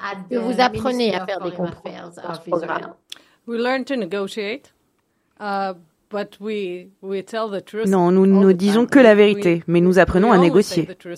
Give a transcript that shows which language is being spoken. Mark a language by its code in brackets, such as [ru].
[fr] Que vous apprenez à faire des compromis dans ce programme. [en] We learn to negotiate, but we tell the truth. [fr] Non, nous ne disons que la vérité, mais nous apprenons à négocier.